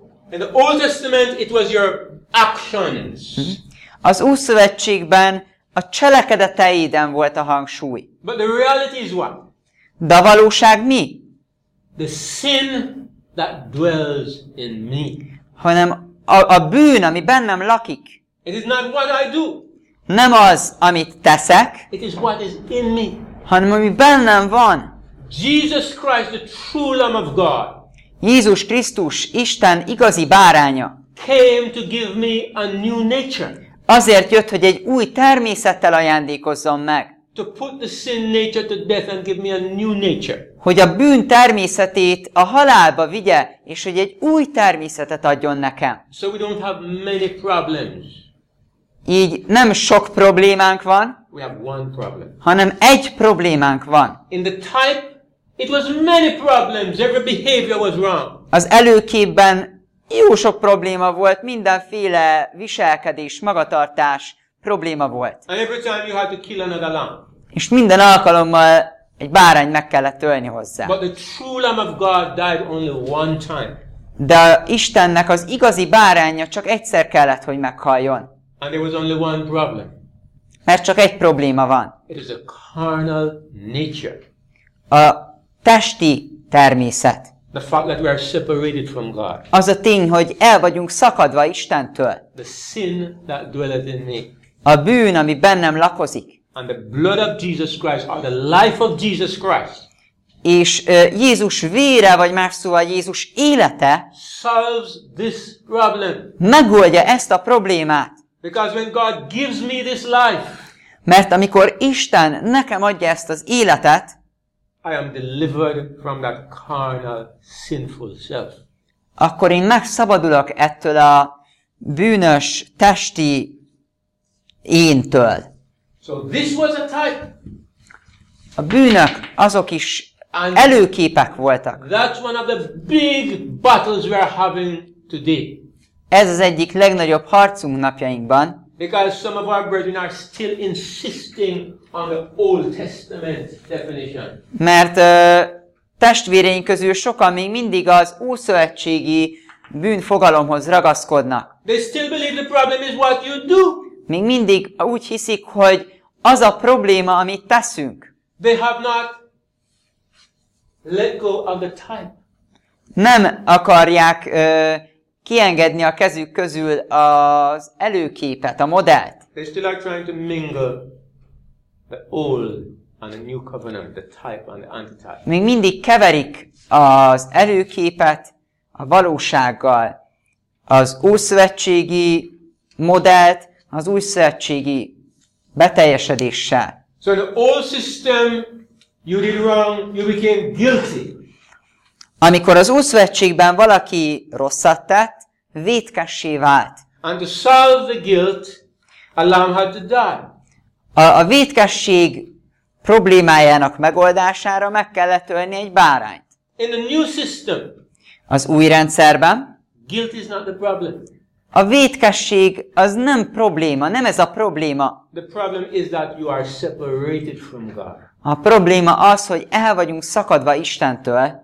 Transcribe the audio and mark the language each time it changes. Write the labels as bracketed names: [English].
[English] In the Old Testament, it was your actions. [Hungarian] Az Ószövetségben a cselekedeteiden volt a hangsúly. [English] But the reality is what? [Hungarian] De a valóság mi? [English] The sin that dwells in me. [Hungarian] Hanem a bűn, ami bennem lakik. [English] It is not what I do. [Hungarian] Nem az, amit teszek. [English] It is what is in me. [Hungarian] Hanem ami bennem van. [English] Jesus Christ, the true Lamb of God. [Hungarian] Jézus Krisztus, Isten igazi báránya. [English] Came to give me a new nature. [Hungarian] Azért jött, hogy egy új természettel ajándékozzon meg. [English] To put the sin nature to death and give me a new nature. [Hungarian] Hogy a bűn természetét a halálba vigye, és hogy egy új természetet adjon nekem. [English] So we don't have many problems. [Hungarian] Így nem sok problémánk van, [English] we have one problem. [Hungarian] Hanem egy problémánk van. [English] In the type, it was many problems. Every behavior was wrong. [Hungarian] Az előképben jó sok probléma volt, mindenféle viselkedés, magatartás probléma volt. [English] And every time you had to kill another lamb. [Hungarian] És minden alkalommal egy bárány meg kellett ölni hozzá. [English] But the true Lamb of God died only one time. [Hungarian] De Istennek az igazi báránya csak egyszer kellett, hogy meghaljon. [English] And there was only one problem. [Hungarian] Mert csak egy probléma van. [English] It is a carnal nature. [Hungarian] A testi természet. [English] The fact that we are separated from God. [Hungarian] Az a tény, hogy el vagyunk szakadva Istentől. [English] The sin that dwelleth in me. [Hungarian] A bűn, ami bennem lakozik. [English] And the blood of Jesus Christ, or the life of Jesus Christ. [Hungarian] És Jézus vére, vagy más szóval Jézus élete [English] solves this problem. [Hungarian] Megoldja ezt a problémát. [English] Because when God gives me this life, [Hungarian] mert amikor Isten nekem adja ezt az életet, [English] I am delivered from that carnal, sinful self. [Hungarian] Akkor én megszabadulok ettől a bűnös testi éntől. [English] So this was a type. [Hungarian] A bűnök azok is and előképek voltak. [English] That's one of the big battles we are having today. [Hungarian] Ez az egyik legnagyobb harcunk napjainkban. [English] Because some of our brethren are still insisting on the Old Testament definition. [Hungarian] Mert testvéreink közül sokan még mindig az ószövetségi bűnfogalomhoz ragaszkodnak. [English] They still believe the problem is what you do. [Hungarian] Még mindig úgy hiszik, hogy az a probléma, amit teszünk. [English] They have not Let go of the time. [Hungarian] Nem akarják kiengedni a kezük közül az előképet, a modellt. [English] They still are trying to mingle the old and the new covenant, the type and the antitype. [Hungarian] Még mindig keverik az előképet a valósággal, az újszövetségi modellt az újszövetségi beteljesedéssel. [English] So in the old system you did wrong, you became guilty. [Hungarian] Amikor az újszövetségben valaki rosszat tett, vétkessé vált. [English] And to solve the guilt, a lamb had to die. [Hungarian] A vétkesség problémájának megoldására meg kellett ölni egy bárányt. [English] In the new system, [Hungarian] az új rendszerben, [English] guilt is not the problem. [Hungarian] A vétkesség az nem probléma, nem ez a probléma. [English] The problem is that you are separated from God. [Hungarian] A probléma az, hogy el vagyunk szakadva Istentől.